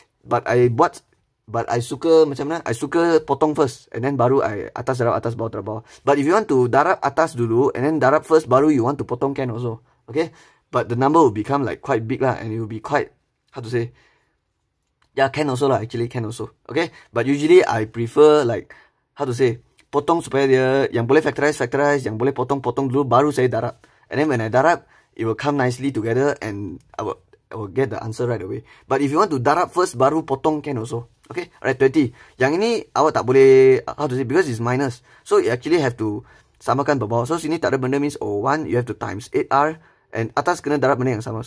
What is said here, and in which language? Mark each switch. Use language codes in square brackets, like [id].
[ms] But I suka macam mana? I suka potong first and then baru I atas darab atas, bawah darab bawah. [en] But if you want to [ms] darab atas dulu [en] and then darab first baru you want to potong can also. Okay? But the number will become like quite big lah and it will be quite how to say? Yeah, can also lah, actually can also. Okay? But usually I prefer like how to say? [ms] Potong supaya dia yang boleh factorize, yang boleh potong dulu baru saya darab. [en] And then when I [ms] darab, [en] it will come nicely together and I will get the answer right away. But if you want to darab first [ms] baru potong [en] can also. Okay, alright, 20. [ms] Yang ini awak tak boleh, [en] how to say, because it's minus. So you actually have to samakan bawah. [ms] So sini tak ada benda means 01, [en] you have to times 8R. [ms] And atas kena darab benda yang sama.